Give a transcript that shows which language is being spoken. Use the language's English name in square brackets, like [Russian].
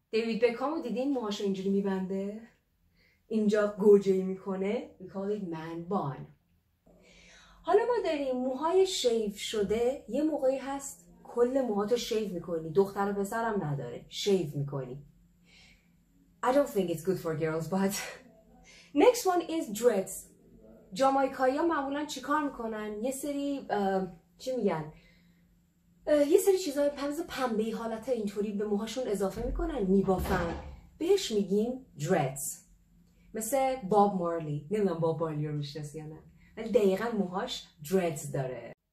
[Persian] دیوید بکامو دیدین موهاشو اینجوری میبنده؟ اینجا گوجه میکنه. [English] We call it man bun. [Persian] حالا ما داریم موهای شیف شده. یه موقعی هست کل موهاتو شیف میکنی. دختر و پسرم نداره. شیف میکنی. [English] I don't think it's good for girls, but next one is dress. [Persian] جامایکایی ها معمولا چی کار میکنن؟ یه سری چی میگن؟ یه سری چیزای پمز پنبه‌ای حالت اینطوری به موهاشون اضافه میکنن، میبافن، بهش میگیم dreads. مثل باب مارلی، نمیدونم باب مارلی رو میشناسی یا نه، ولی دقیقا موهاش dreads داره.